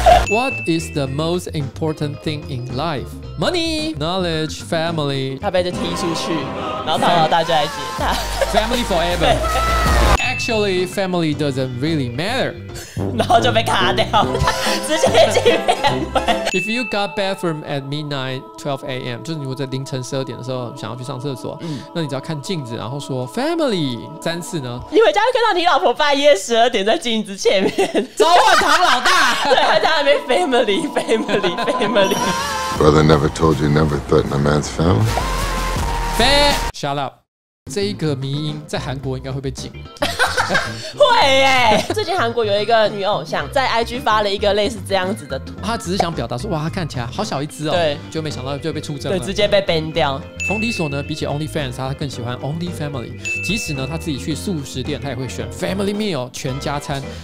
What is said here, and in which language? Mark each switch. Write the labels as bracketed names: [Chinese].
[English] What is the most important thing in life? Money, knowledge, family。 [Chinese] 他被就踢出去，然后唐老大就来接他。 [English] Family forever. Actually family doesn't really matter. [Chinese] 然后就被卡掉，直接进片尾。 [English] If you got bathroom at midnight 12 a.m. [Chinese] 就是你如果在凌晨12点的时候想要去上厕所，那你只要看镜子，然后说 family 三次呢，你回家会看到你老婆半夜12点在镜子前面召唤唐老大。对，他在那边 [English] family family family. Brother never told you never threaten a man's family. Shut up. [Chinese] 这一个迷因在韩国应该会被禁。会耶、欸！最近韩国有一个女偶像在 IG 发了一个类似这样子的图，她只是想表达说，哇，她看起来好小一只哦、喔。对，就没想到就被出征了，对，直接被 ban 掉。冯迪索呢，比起 OnlyFans， 他更喜欢 OnlyFamily。即使呢他自己去素食店，他也会选 Family Meal 全家餐。